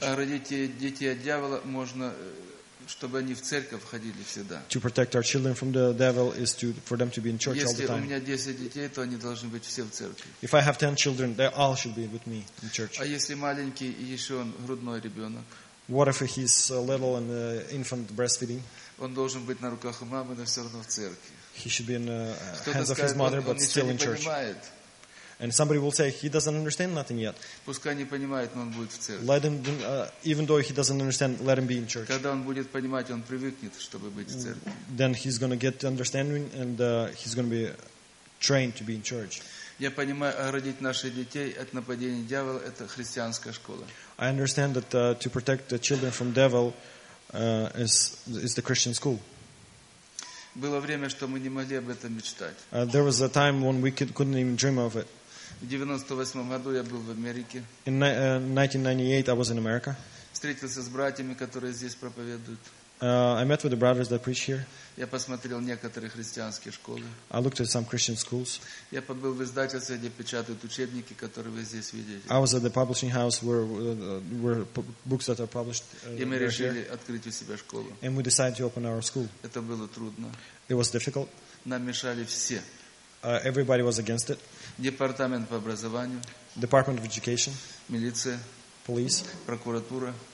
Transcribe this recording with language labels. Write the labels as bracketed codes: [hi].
[ru] А родители детей от дьявола можно, чтобы они в церковь ходили всегда. [en] To protect our children from the devil is to for them to be in church all the time. [ru] Если у меня 10 детей, то они должны быть все в церкви. [en] If I have 10 children, they all should be with me in church. [ru] А если маленький, еще он грудной ребенок? [en] What if he's little and infant breastfeeding? [ru] Он должен быть на руках у мамы, но все равно в церкви. [en] He should be in the hands of his mother, but still in church. And somebody will say he doesn't understand nothing yet. [ru] Пускай не понимает, но он будет в церкви. [en] Let him, even though he doesn't understand, let him be in church. [ru] Когда он будет понимать, он привыкнет, чтобы быть в церкви. [en] Then he's going to get understanding and he's going to be trained to be in church. [ru] Я понимаю, оградить наших детей от нападения дьявола – это христианская школа. [en] I understand that to protect the children from devil is the Christian school. [ru] Было время, что мы не могли об этом мечтать. [en] There was a time when we couldn't even dream of it. [ru] В 98 году я был в Америке. [en] In 1998 I was in America. [ru] Встретился с братьями, которые здесь проповедуют. [en] I met with the brothers that preach here. [ru] Я посмотрел некоторые христианские школы. [en] I looked at some Christian schools. [ru] Я побыл в издательстве, где печатают учебники, которые вы здесь видите. [en] I was at the publishing house where books that are published. [ru] И мы решили открыть у себя школу. [en] And we decided to open our school. [ru] Это было трудно. [en] It was difficult. [ru] Нам мешали все. [en] Everybody was against it. [ru] Департамент по образованию. [en] Department of Education. [ru] Милиция. [en] Police. [ru] Прокуратура.